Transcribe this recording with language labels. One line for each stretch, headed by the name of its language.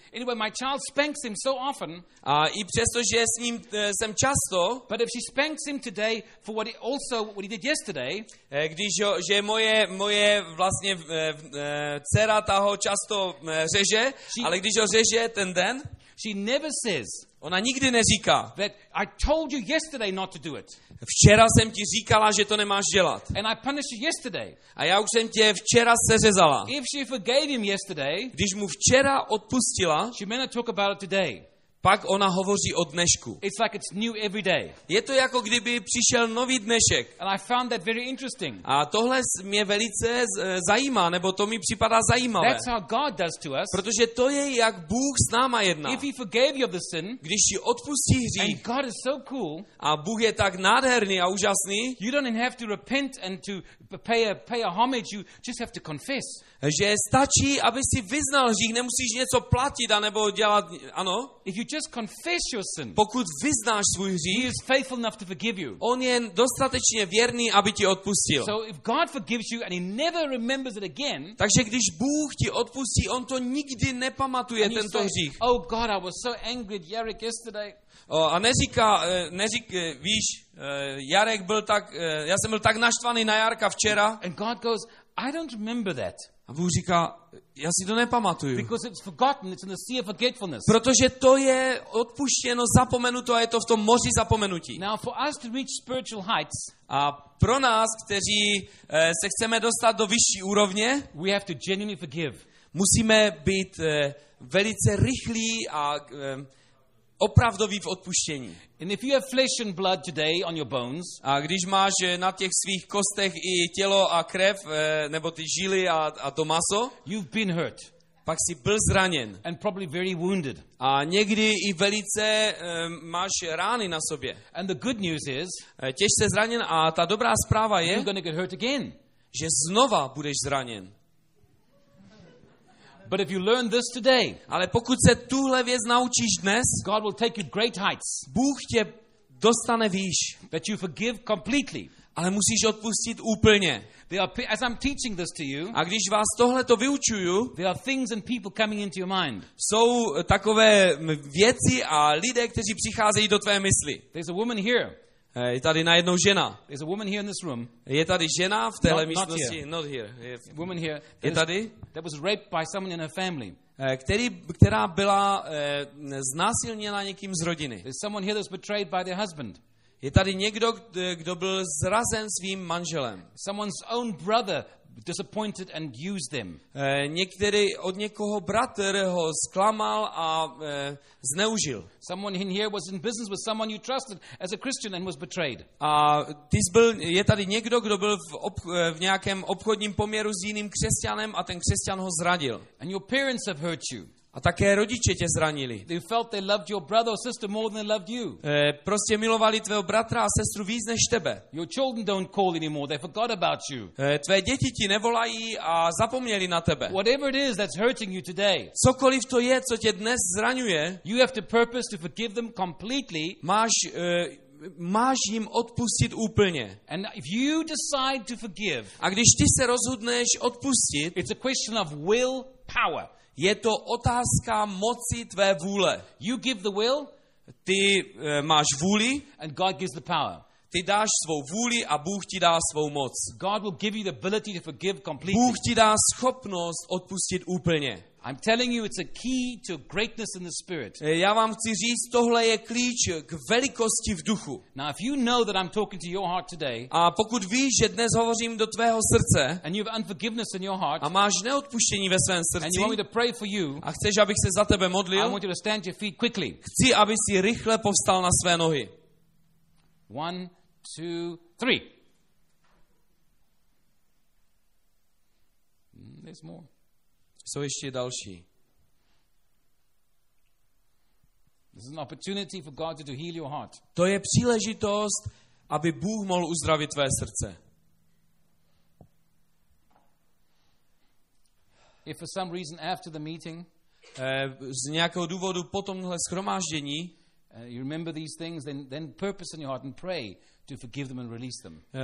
English: Anyway, my child spanks him so often.
Czech: A i přesto, že s ním jsem často.
English: But if she spanks him today for what he also what he did yesterday.
Czech: Když že moje vlastně dcera ta ho často řeže, ale když ho řeže ten den.
English: She never says.
Czech: Ona nikdy neříká.
English: That I told you yesterday not to do it.
Czech: Včera jsem ti říkala, že to nemáš dělat.
English: And I punished you yesterday.
Czech: A já už jsem tě včera seřezala.
English: If she forgave him yesterday.
Czech: Když mu včera odpustila.
English: She may not talk about it today.
Czech: Pak ona hovoří o dnešku.
English: It's like it's new every day.
Czech: Je to jako kdyby přišel nový dnešek.
English: And I found that very interesting.
Czech: A tohle mě velice zajímá, nebo to mi připadá zajímavé.
English: That's how God does to us.
Czech: Protože to je, jak Bůh s náma jedná.
English: If he forgave you of the sin,
Czech: když ti odpustí hřích,
English: and God is so cool,
Czech: a Bůh je tak nádherný a úžasný,
English: you don't have to repent and to pay a homage, you just have to confess.
Czech: Že stačí, aby si vyznal hřích, nemusíš něco platit a nebo dělat, ano?
English: If you just confess your sin,
Czech: pokud vyznáš svůj hřích,
English: he is faithful enough to forgive you.
Czech: On je dostatečně věrný, aby ti odpustil.
English: So if God forgives you and he never remembers it again,
Czech: takže když Bůh ti odpustí, on to nikdy nepamatuje, tento hřích.
English: Oh God, I was so angry at Jarek yesterday.
Czech: A neříká, víš, Jarek byl tak, já jsem byl tak naštvaný na Jarka včera.
English: And God goes, I don't remember that.
Czech: A Bůh říká, já si to nepamatuju.
English: Because it's forgotten, it's in the sea of forgetfulness.
Czech: Protože to je odpuštěno, zapomenuto a je to v tom moři zapomenutí.
English: Now for us to reach spiritual heights,
Czech: a pro nás, kteří se chceme dostat do vyšší úrovně,
English: we have to genuinely forgive.
Czech: Musíme být velice rychlí a opravdoví v odpuštění.
English: And if you have flesh and blood today on your bones,
Czech: a když máš na těch svých kostech i tělo a krev, nebo ty žíly a to maso,
English: you've been hurt.
Czech: Pak jsi byl zraněn.
English: And probably very wounded.
Czech: A někdy i velice máš rány na sobě.
English: And the good news is,
Czech: těž se zraněn a ta dobrá zpráva je,
English: you're gonna get hurt again.
Czech: Že znova budeš zraněn.
English: But if you learn this today,
Czech: ale pokud se tuhle věc naučíš dnes,
English: God will take you great heights.
Czech: Bůh tě dostane výš.
English: That you forgive completely.
Czech: Ale musíš odpustit úplně.
English: As I'm teaching this to you,
Czech: a když vás tohle to vyučuju,
English: there are things and people coming into your mind.
Czech: Jsou takové věci a lidé, kteří přicházejí do tvé mysli.
English: There's a woman here.
Czech: Je tady najednou žena.
English: There's a woman here in this room.
Czech: Je tady žena v téhle místnosti.
English: Not here. Not here.
Czech: Je,
English: woman here.
Czech: Je tady.
English: That was raped by someone in her family.
Czech: Která byla znásilněna někým z rodiny.
English: There's someone here that was betrayed by their husband.
Czech: Je tady někdo, kdo byl zrazen svým manželem.
English: Someone's own brother disappointed and used them.
Czech: Některý od někoho bratr ho zklamal a zneužil.
English: Someone in here was in business with someone you trusted as a Christian and was betrayed.
Czech: A je tady někdo, kdo byl v nějakém obchodním poměru s jiným křesťanem a ten křesťan ho zradil.
English: And your parents have hurt you.
Czech: A také rodiče tě zranili.
English: They felt they loved your brother or sister more than they loved you.
Czech: Prostě milovali tvého bratra a sestru víc než tebe.
English: Your children don't call anymore. They forgot about you.
Czech: Tvé děti ti nevolají a zapomněli na tebe.
English: Whatever it is that's hurting you today.
Czech: Cokoliv to je, co tě dnes zraňuje.
English: You have to purpose to forgive them completely.
Czech: Máš jim odpustit úplně.
English: And if you decide to forgive.
Czech: A když ty se rozhodneš odpustit.
English: It's a question of will power.
Czech: Je to otázka moci tvé vůle.
English: You give the will,
Czech: ty máš vůli,
English: and God gives the power.
Czech: Ty dáš svou vůli a Bůh ti dá svou moc.
English: God will give you the ability to forgive completely.
Czech: Bůh ti dá schopnost odpustit úplně.
English: I'm telling you, it's a key to greatness in the spirit.
Czech: Já vám chci říct, tohle je klíč k velikosti v duchu.
English: Now, if you know that I'm talking to your heart today,
Czech: a pokud víš, že dnes hovořím do tvého srdce,
English: and you have unforgiveness in your heart,
Czech: a máš neodpuštění ve svém srdci,
English: and you want me to pray for you,
Czech: a chceš, abych se za tebe modlil,
English: I want you to stand your feet quickly.
Czech: Chci, aby si rychle povstal na své nohy.
English: 1, 2, 3. There's more.
Czech: Jsou ještě další.
English: This is an opportunity for God to heal your heart.
Czech: To je příležitost, aby Bůh mohl uzdravit tvé srdce.
English: If for some reason after the meeting,
Czech: z nějakého důvodu po tomhle shromáždění,
English: you remember these things, then purpose in your heart and pray to forgive them and release them.